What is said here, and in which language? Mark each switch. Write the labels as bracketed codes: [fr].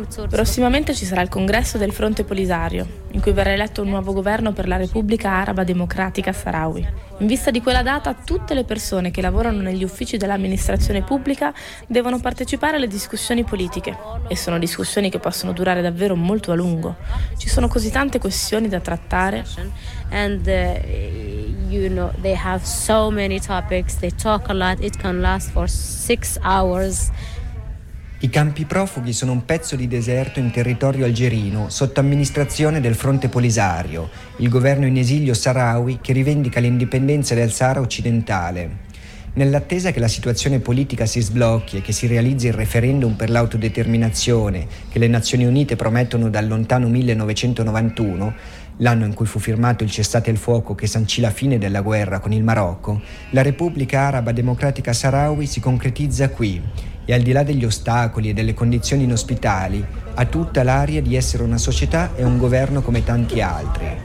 [it] Prossimamente ci sarà il congresso del Fronte Polisario, in cui verrà eletto un nuovo governo per la Repubblica Araba Democratica Sahrawi. In vista di quella data, tutte le persone che lavorano negli uffici dell'amministrazione pubblica devono partecipare alle discussioni politiche, e sono discussioni che possono durare davvero molto a lungo. Ci sono così tante questioni da trattare. [en] You know, they have so many topics, they talk a lot, it can last for 6 hours. [it] I campi profughi sono un pezzo di deserto in territorio algerino, sotto amministrazione del Fronte Polisario, il governo in esilio Sahrawi che rivendica l'indipendenza del Sahara occidentale. Nell'attesa che la situazione politica si sblocchi e che si realizzi il referendum per l'autodeterminazione che le Nazioni Unite promettono dal lontano 1991, l'anno in cui fu firmato il cessate il fuoco che sancì la fine della guerra con il Marocco, la Repubblica Araba Democratica Sahrawi si concretizza qui e, al di là degli ostacoli e delle condizioni inospitali, ha tutta l'aria di essere una società e un governo come tanti altri.